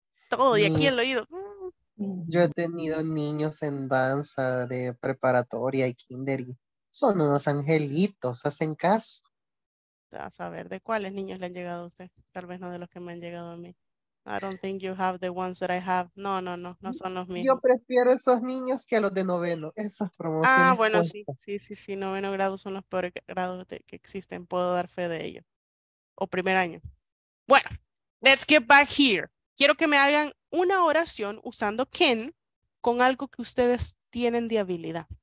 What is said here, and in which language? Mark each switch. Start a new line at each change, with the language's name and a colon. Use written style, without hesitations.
Spanish: Todo, y aquí el oído. Yo he tenido niños en danza de preparatoria y kinder y son unos angelitos, hacen caso. A saber, ¿de cuáles niños le han llegado a usted? Tal vez no de los que me han llegado a mí.
English: I don't think you have the ones that I have.
Spanish: No, no, no, no son los mismos. Yo prefiero esos niños que a los de noveno, esas promociones. Ah, bueno, sí, noveno grado son los peores grados que existen, puedo dar fe de ello. O primer año. Bueno,
English: let's get back here.
Spanish: Quiero que me hagan una oración usando can con algo que ustedes tienen de habilidad.